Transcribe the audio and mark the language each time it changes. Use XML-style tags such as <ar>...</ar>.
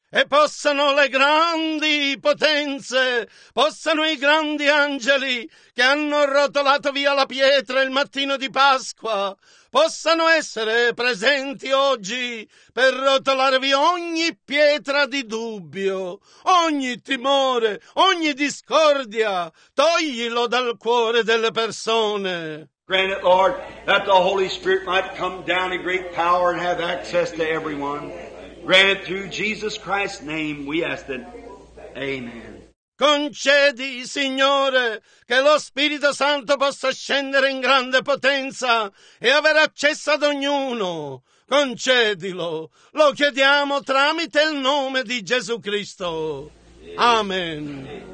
<it>E possano le grandi potenze, possano i grandi angeli che hanno rotolato via la pietra il mattino di Pasqua, possano essere presenti oggi per rotolare via ogni pietra di dubbio, ogni timore, ogni discordia. Toglilo dal cuore delle persone.</it> <en>Grant it, Lord, that the Holy Spirit might come down in great power and have access to everyone. Grant it through Jesus Christ's name, we ask it. Amen.</en> <it>Concedi, Signore, che lo Spirito Santo possa scendere in grande potenza e avere accesso ad ognuno. Concedilo. Lo chiediamo tramite il nome di Gesù Cristo. Amen.</it>